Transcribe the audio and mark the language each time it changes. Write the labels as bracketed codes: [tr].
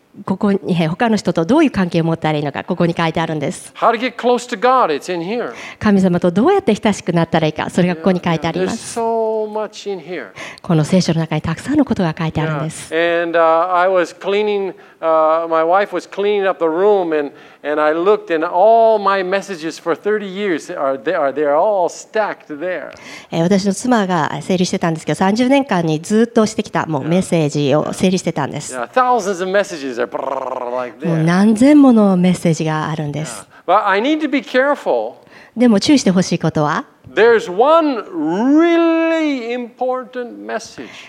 [ja] ここに他の人とどういう関係を持ったらいいのかここに書いてあるんです。 [en] How to get close to God? It's in here. [ja] 神様とどうやって親しくなったらいいかそれがここに書いてあります。 [en] There's so much in here. [ja] この聖書の中にたくさんのことが書いてあるんです。 [en] And I was cleaning, my wife was cleaning up the room and I looked and all my messages for 30 years are all stacked there. [ja] 私の妻が整理してたんですけど30年間にずっとしてきたもうメッセージを整理してたんです。 [en] Yeah. Thousands of messages are like there. [ja] もう何千ものメッセージがあるんです。 [en] Yeah. But I need to be careful. [ja] でも注意してほしいことは [en] There's one really important message.